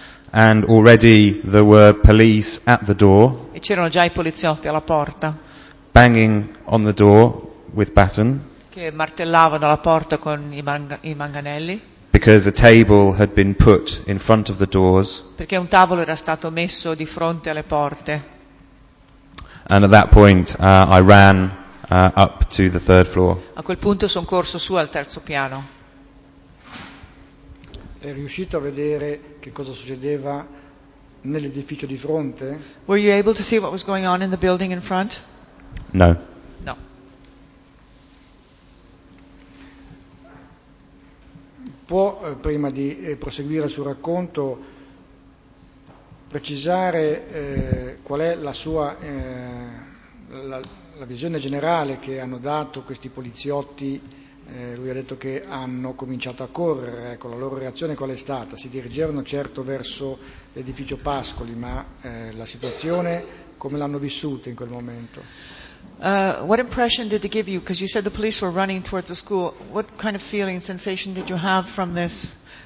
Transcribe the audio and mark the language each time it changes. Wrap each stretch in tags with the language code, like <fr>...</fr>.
<en>And already there were police at the door.</en> <it>E c'erano già i poliziotti alla porta.</it> <en>Banging on the door with baton.</en> <it>Che martellavano alla porta con i manganelli.</it> <en>Because a table had been put in front of the doors.</en> <it>Perché un tavolo era stato messo di fronte alle porte.</it> <en>And at that point I ran up to the third floor.</en> <it>A quel punto sono corso su al terzo piano. È riuscito a vedere che cosa succedeva nell'edificio di fronte?</it> <en>Were you able to see what was going on in the building in front? No.</en> <it>No. Può, prima di proseguire sul racconto, precisare qual è la sua la visione generale che hanno dato questi poliziotti? Lui ha detto che hanno cominciato a correre, ecco, la loro reazione qual è stata? Si dirigevano certo verso l'edificio Pascoli, ma la situazione come l'hanno vissuta in quel momento?</it> <en>What impression did they give you? Because you said the police were running towards the school. What kind of feeling, sensation did you have from this?</en>